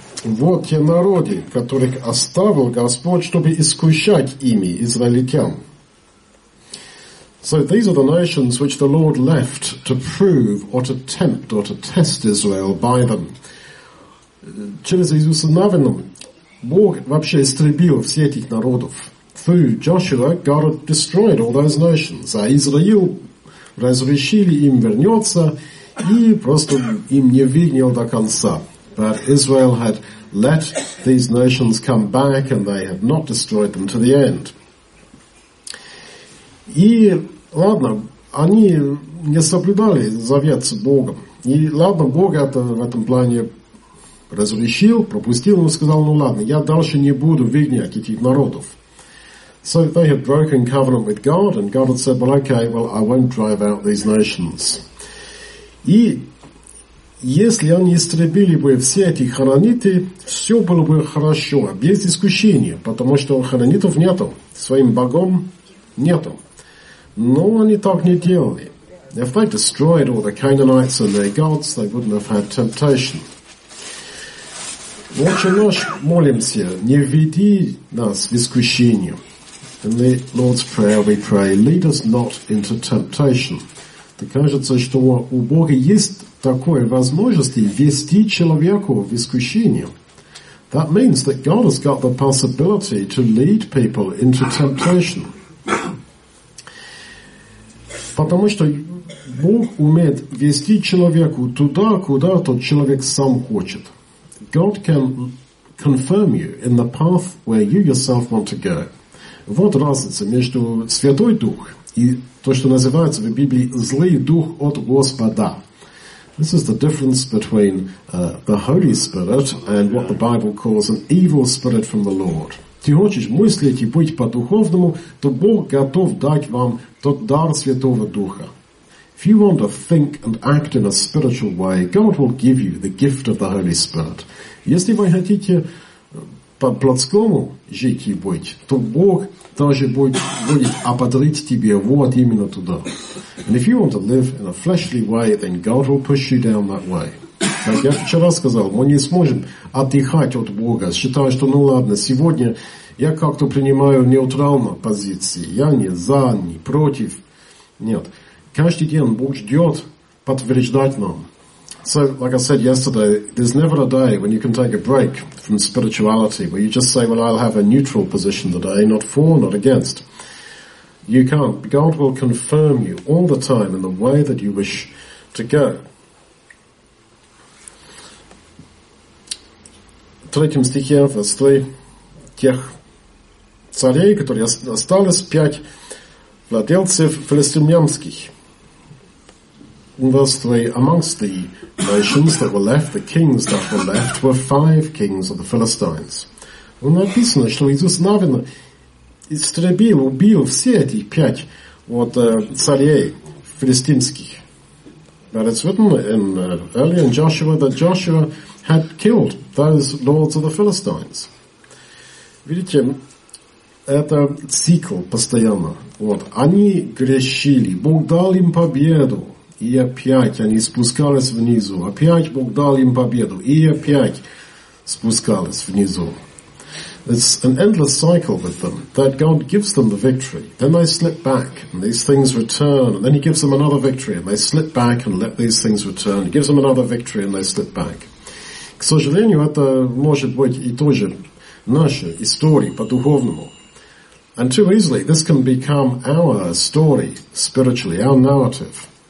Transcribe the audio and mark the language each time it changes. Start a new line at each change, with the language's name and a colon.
Russian: «Вот те народы, которых оставил Господь, чтобы искушать ими, израильтян».
English: So these are the nations which the Lord left to prove or to tempt or to test Israel by them.
Russian: Через Иисуса Навина Бог вообще истребил все этих народов.
English: Through Joshua, God had destroyed all those nations.
Russian: А Израил разрешили им вернется и просто им не выгнал до конца.
English: But Israel had let these nations come back and they had not destroyed them to the end.
Russian: И ладно, они не соблюдали завет с Богом. И ладно, Бог это в этом плане разрешил, пропустил, но сказал, ну ладно, я дальше не буду выгнать этих народов.
English: So they had broken covenant with God, and God had said, well, okay, well, I won't drive out these nations.
Russian: И если они истребили бы все эти хорониты, все было бы хорошо, без искушения, потому что хоронитов нету, своим богом нету. Но они так не делали.
English: If they destroyed all the Canaanites and their gods, they wouldn't have had temptation.
Russian: Отче наш, молимся, не веди нас в искушение.
English: In the Lord's Prayer we pray, lead us not into temptation.
Russian: Так кажется, что у Бога есть такое возможность ввести человеку в искушение.
English: That means that God has got the possibility to lead people into temptation.
Russian: Потому что Бог умеет вести человеку туда, куда тот человек сам хочет.
English: God can confirm you in the path where you yourself want to go.
Russian: Вот разница между Святой Дух и то, что называется в Библии «злый дух от Господа».
English: This is the difference between the Holy Spirit and what the Bible calls an evil spirit from the Lord.
Russian: Ты хочешь мыслить и быть по-духовному, то Бог готов дать вам тот дар Святого Духа.
English: If you want to think and act in a spiritual way, God will give you the gift of the Holy Spirit.
Russian: Если вы хотите по-плотскому жить и быть, то Бог даже будет ободрить тебя вот именно туда.
English: And if you want to live in a fleshly way, then God will push you down that way.
Russian: Как я вчера сказал, мы не сможем отдыхать от Бога, считая, что, ну ладно, сегодня я как-то принимаю нейтральную позицию. Я не за, не против. Нет. Каждый день Бог ждет подтверждать нам.
English: So, like I said yesterday, there's never a day when you can take a break from spirituality where you just say, well, I'll have a neutral position today, not for, not against. You can't. God will confirm you all the time in the way that you wish to go.
Russian: Третьем стихе,
English: verse 3,
Russian: тех царей, которые остались, 5 владельцев филистимлянских.
English: In verse 3, amongst the nations that were left, the kings that were left, were 5 kings of the Philistines.
Russian: Написано, что Иисус Навин истребил, убил все эти 5 вот царей филистимских.
English: But it's written in early in Joshua that Joshua had killed those lords of the Philistines.
Russian: Видите, это цикл постоянно. Вот, они грешили, Бог дал им победу, и опять они спускались внизу. Опять Бог дал им победу, и опять спускались внизу.
English: It's an endless cycle with them, that God gives them the victory. Then they slip back, and these things return. And then he gives them another victory, and they slip back and let these things return. He gives them another victory, and they slip back.
Russian: К сожалению, это может быть и тоже наша история по-духовному.
English: And too easily, this can become our story spiritually, our narrative.